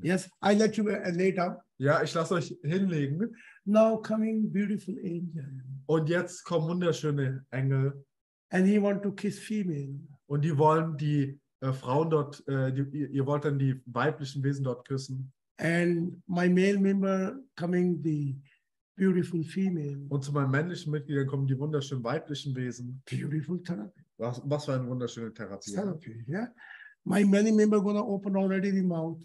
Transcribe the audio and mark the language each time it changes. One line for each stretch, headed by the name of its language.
English: Yes, I let you lay down.
German: Ja, ich lasse euch hinlegen.
English: Now coming beautiful angel.
German: Und jetzt kommen wunderschöne Engel.
English: And he want to kiss female.
German: Und die wollen die Frauen dort, ihr wollt dann die weiblichen Wesen dort küssen.
English: And my male member coming the beautiful female.
German: Und zu meinen männlichen Mitgliedern kommen die wunderschönen weiblichen Wesen.
English: Beautiful therapy.
German: Was für eine wunderschöne Therapie.
English: Therapy, ja. Yeah? My many members gonna open already the mouth.